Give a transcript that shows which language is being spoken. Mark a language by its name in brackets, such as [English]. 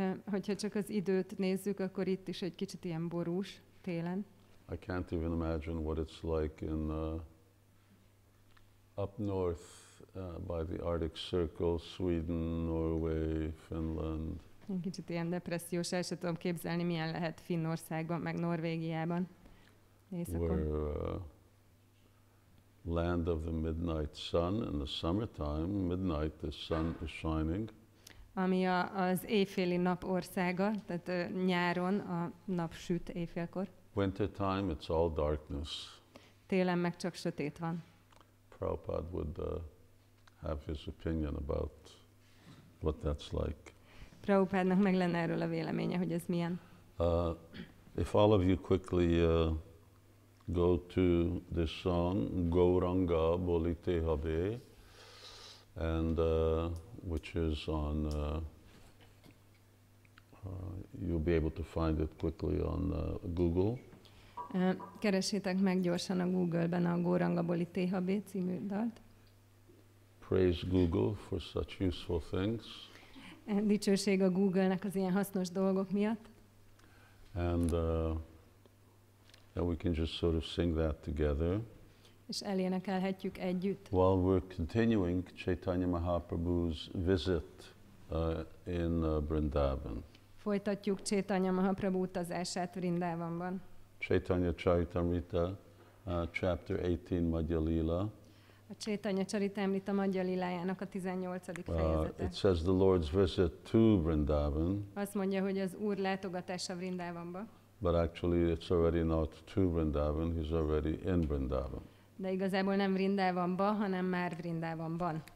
[Hungarian] Hogyha csak az időt nézzük, akkor itt is egy kicsit ilyen borús télen. [English] I can't even imagine what it's like in up north by the Arctic Circle, Sweden, Norway, Finland. [Hungarian] Egy kicsit ilyen depressziós, el sem tudom képzelni, milyen lehet Finnországban, meg Norvégiában. Éjszakon. [English] We're land of the midnight sun in the summertime. Midnight, the sun is shining. [Hungarian] Ami az éjféli nap országa, tehát nyáron a nap süt éjfélkor. [English] Wintertime, it's all darkness. [Hungarian] Télen meg csak sötét van. [English] Prabhupada would have his opinion about what that's like. [Hungarian] Prabhupádnak meg lenne erről a véleménye, hogy ez milyen. [English] If all of you quickly go to this song, Gauranga Bolite Habe, and which is on, you'll be able to find it quickly on Google. [Hungarian] Keresétek meg gyorsan a Google-ben a Gauranga Bolite Habe című dalt. [English] Praise Google for such useful things. [Hungarian] Dicsőség a Google-nek az ilyen hasznos dolgok miatt. [English] And we can just sort of sing that together. [Hungarian] És elénekelhetjük együtt. [English] While we're continuing Caitanya Mahaprabhu's visit in Vṛndāvan. [Hungarian] Folytatjuk Caitanya Mahaprabhu utazását Vṛndāvanban. [English] Caitanya Charitamrita, chapter 18, Madhya Lila. [Hungarian] A Caitanya Charitamrita Madhya Lilájának a 18. fejezete. [English] It says the Lord's visit to Vṛndāvan. [Hungarian] Azt mondja, hogy az Úr látogatása Vṛndāvanba. [English] But actually it's already not to Vṛndāvan, he's already in Vṛndāvan. [Hungarian] De igazából nem Vṛndāvanba, hanem már Vṛndāvanban.